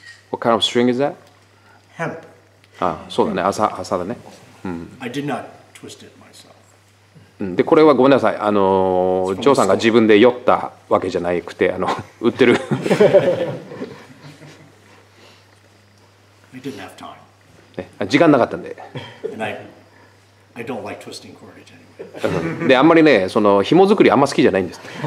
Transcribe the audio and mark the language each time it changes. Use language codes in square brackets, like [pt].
[en] What kind of string is that? Hemp. [ja] あ、そうだね。麻だね。うん。 [en] I did not twist it myself. [ja] でこれはごめんなさい、ジョーさんが自分で酔ったわけじゃなくて売ってる。 [en] I didn't have time. [ja] ね、時間なかったんで。 [en] And I don't like twisting cordage anyway. [ja] であんまりね、その紐作りあんま好きじゃないんです。